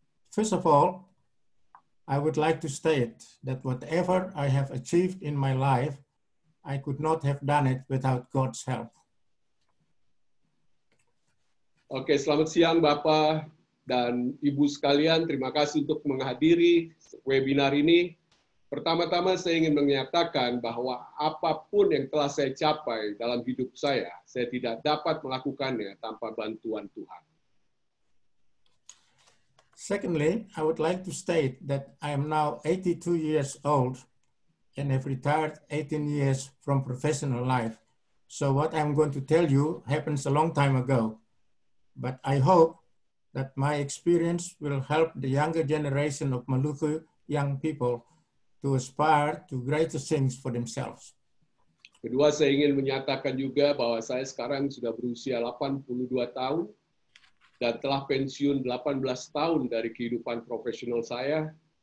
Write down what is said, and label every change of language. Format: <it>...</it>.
<en>First of all, I would like to state that whatever I have achieved in my life, I could not have done it without God's help.</en> <id>Oke, selamat siang Bapak dan Ibu sekalian. Terima kasih untuk menghadiri webinar ini. Pertama-tama saya ingin menyatakan bahwa apapun yang telah saya capai dalam hidup saya tidak dapat melakukannya tanpa bantuan Tuhan.</id> <en>Secondly, I would like to state that I am now 82 years old and have retired 18 years from professional life. So what I'm going to tell you happens a long time ago. But I hope that my experience will help the younger generation of Maluku young people to aspire to greater things for themselves.</en> <id>Kedua, saya ingin menyatakan juga bahwa saya sekarang sudah berusia 82 tahun dan telah pensiun 18 tahun dari kehidupan profesional saya.</id>